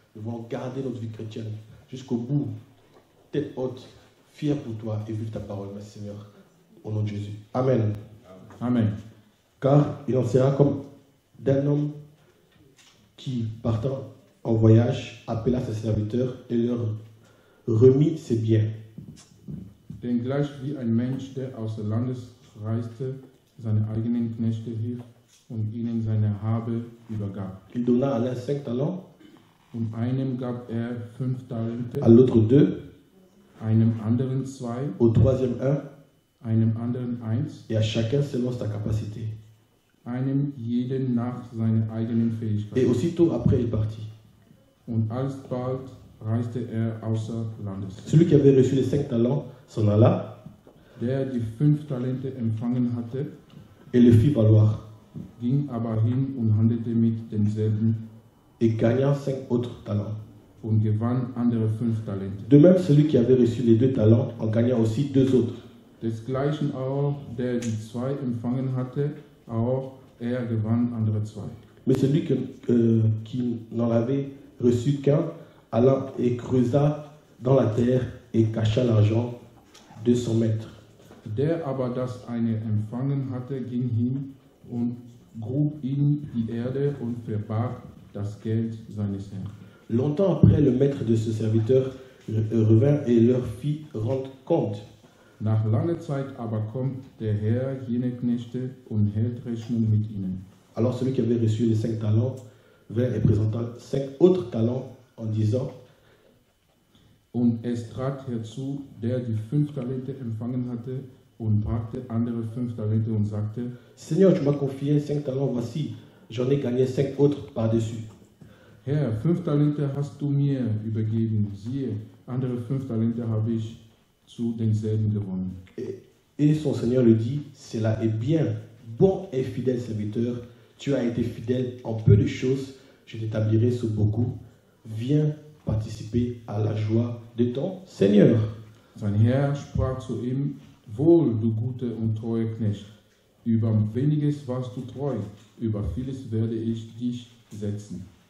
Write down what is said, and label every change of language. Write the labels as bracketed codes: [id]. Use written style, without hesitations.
[fr] Nous voulons garder notre vie chrétienne jusqu'au bout. Tête haute, fier pour toi et vivre ta parole, merci Seigneur. Au nom de Jésus. Amen. Amen. Car il en sera comme d'un homme qui, partant en voyage, appela ses serviteurs et leur remit ses biens. [de] Denn gleich wie ein Mensch, der aus dem Land reiste, seine eigenen Knechte rief und ihnen seine Habe übergab. [fr] Il donna à l'un 5 talents. [de] Und einem gab er 5 Talente. [fr] À l'autre 2. [de] Einem anderen 2. [fr] Au troisième 1. [de] Einem anderen 1. [fr] Et à chacun selon sa capacité. [de] Einem jeden nach seiner eigenen Fähigkeit. [fr] Et aussitôt après, il partit. [de] Und alsbald reiste er außer Landes. [fr] Celui qui avait reçu les 5 talents s'en alla. [de] Der die 5 Talente empfangen hatte. [fr] Et le fit valoir. [de] Ging aber hin und handelte mit denselben. [fr] Et gagna 5 autres talents. [de] Und gewann andere 5 Talente. [fr] De même, celui qui avait reçu les 2 talents en gagna aussi 2 autres. [de] Desgleichen auch, der die 2 empfangen hatte, auch er gewann andere 2. [fr] Mais celui qui n'en avait reçu qu'un, alla et creusa dans la terre et cacha l'argent de son maître. [de] Der aber das eine empfangen hatte, ging hin und grub in die Erde und verbarg das Geld seines Herrn. [fr] Longtemps après, le maître de ce serviteur revint et leur fit rendre compte. [de] Nach langer Zeit aber kommt der Herr jene Knechte und hält Rechnung mit ihnen. [fr] Alors celui qui avait reçu les 5 talents vint et présenta 5 autres talents en disant. [de] Und es trat herzu, der die 5 Talente empfangen hatte und brachte andere 5 Talente und sagte. [fr] Seigneur, tu m'as confié 5 talents, voici, j'en ai gagné 5 autres par-dessus. [de] Herr, 5 Talente hast du mir übergeben, siehe, andere 5 Talente habe ich zu denselben gewonnen. [fr] Et son Seigneur lui dit, cela est bien, bon et fidèle serviteur, tu as été fidèle en peu de choses, je t'établirai sous beaucoup, viens participer à la joie de ton Seigneur. [de] Sein Herr sprach zu ihm, wohl, du guter und treuer Knecht, über weniges warst du treu, über vieles werde ich dich setzen.